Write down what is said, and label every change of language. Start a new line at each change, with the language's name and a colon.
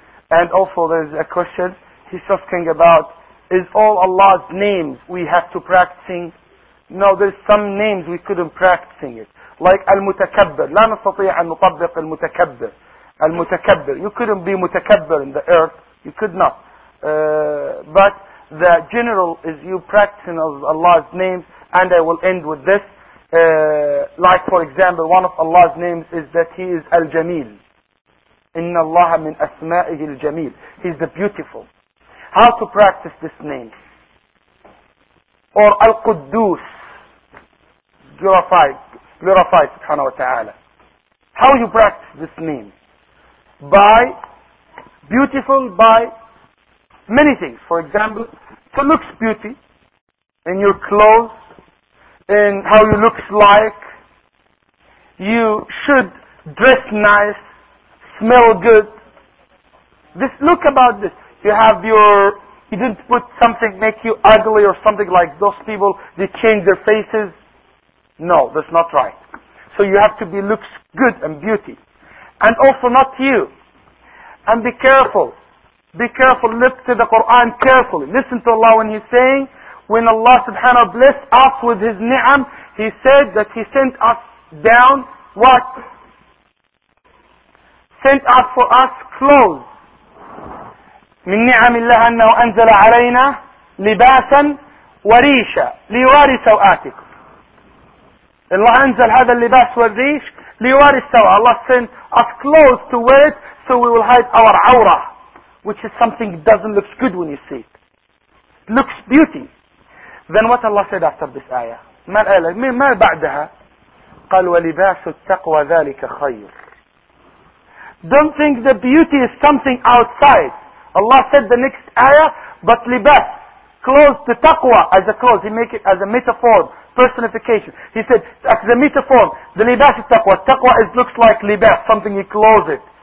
English: And also, there's a question. He's asking about: is all Allah's names we have to practicing? No, there's some names we couldn't practicing it. Like Al-Mutakabbir.
Arabic: لا نستطيع أن نطبق المتكبر. المتكبر.
English: You couldn't be متكبر in the earth. You could not. But the general is you practicing of Allah's names. And I will end with this. Like for example, one of Allah's names is that He is Al-Jamil.
Arabic: إِنَّ اللَّهَ مِنْ أَسْمَائِهِ الْجَمِيلِ
English: He's the beautiful. How to practice this name? Or Al-Quddus. Glorify subhanahu wa ta'ala. How you practice this name? By beautiful, by many things. For example, to look beauty in your clothes, in how you look like. You should dress nice, smell good. This look about this. You have your, you didn't put something make you ugly or something like those people, they change their faces. No, that's not right. So you have to be looks good and beauty. And also not you. And be careful. Be careful. Look to the Quran carefully. Listen to Allah when He's saying, when Allah subhanahu blessed us with His ni'am, He said that He sent us down what? Sent us for us clothes.
Arabic: مِن نِعَمِ اللَّهَ أَنَّهُ أَنزَلَ عَلَيْنَا لِبَاسًا وَرِيشًا لِيُوَارِي سَوْآتِكُمْ Allah anzal hadha al-libas wal-reesh liwari sawa.
English: Allah sent us clothes to wear it so we will hide our awra, which is something that doesn't look good when you see it. Looks beauty. Then what Allah said after this ayah?
Arabic: ما الآية؟ ما بعدها؟ قال ولباس التقوى ذلك خير.
English: Don't think that beauty is something outside. Allah said the next ayah, but libas, clothes, the taqwa as a clothes, He make it as a metaphor. Personification. He said, as the metaphor, the libas is taqwa. Taqwa is looks like libas, something you close it.